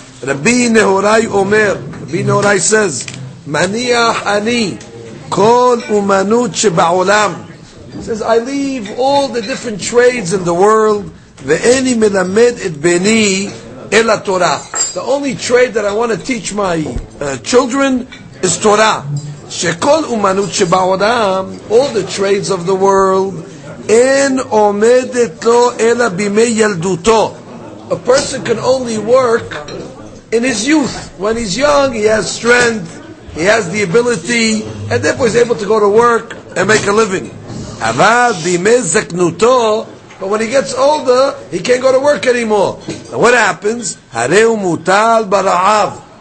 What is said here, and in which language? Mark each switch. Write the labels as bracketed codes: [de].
[he] Rabbi Nehorai אומר, [en] Rabbi Nehorai says, [he] מניח אני כל אומנות שבעולם. [en] He says, I leave all the different trades in the world, [he] ואני מלמד את בני אל התורה. [en] The only trade that I want to teach my children is Torah. [he] שכל אומנות שבעולם, [en] all the trades of the world, [he] אין עומדת לו אלא בימי ילדותו. [en] A person can only work in his youth. When he's young, he has strength, he has the ability, and therefore he's able to go to work and make a living. [he] אבל בימי זקנותו, [en] but when he gets older, he can't go to work anymore. And what happens? [he] Hareu mutal bara'av.